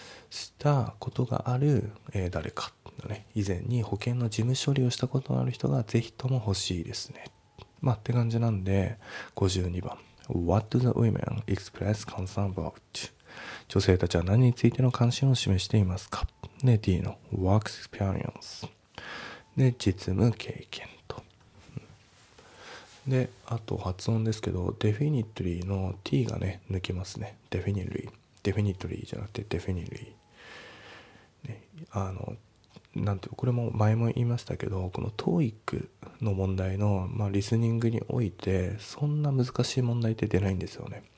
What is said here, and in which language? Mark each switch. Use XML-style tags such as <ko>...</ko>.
<ja>したことがある、誰かの、ね、以前に保険の事務処理をしたことのある人がぜひとも欲しいですね。まあって感じなんで、52番、</ja> <en>What do the women express concern about?</en> <ja>女性たちは何についての関心を示していますか。で、 D の Work Experience で、実務経験と。で、あと発音ですけど、 Definitely の T がね、抜けますね。 Definitely じゃなくて Definitely、ね、なんていう、これも前も言いましたけど、この TOEIC の問題の、まあ、リスニングにおいてそんな難しい問題って出ないんですよね。</ja>